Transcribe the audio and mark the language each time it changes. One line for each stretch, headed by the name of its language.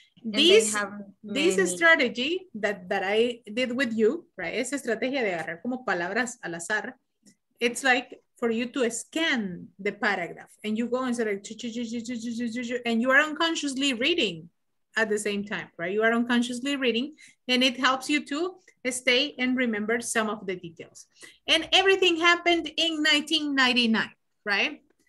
English: This strategy that I did with you, right?
Spanish: Esa estrategia de agarrar como palabras al azar.
English: It's like for you to scan the paragraph and you go and say like, and you are unconsciously reading at the same time, right? You are unconsciously reading and it helps you to stay and remember some of the details. And everything happened in 1999, right?